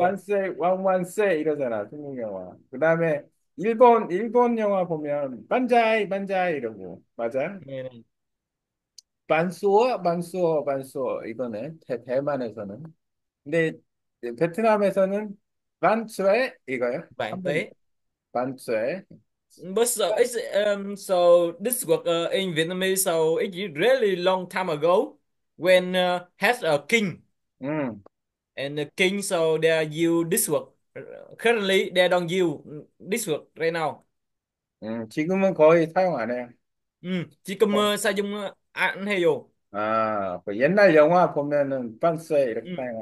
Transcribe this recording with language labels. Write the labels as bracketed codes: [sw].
[ko] 완세 완완세 이러잖아 중국 영화 그다음에 일본 영화 보면 반자이 반자이 이러고 맞아 네. 반수어 반수어 반수어 이거네 대만에서는 근데 베트남에서는 반츠에 이거요 한 번. 반대. 반쯔에 [en] But so it's so this was in Vietnamese, so it's really long time ago when has a king and the king, so they use this word. Currently they don't use this word right now. [ko] 지금은 거의 사용 안 해요. 지금은 사용 안 해요. 옛날 영화 보면은 반쯔에 이렇게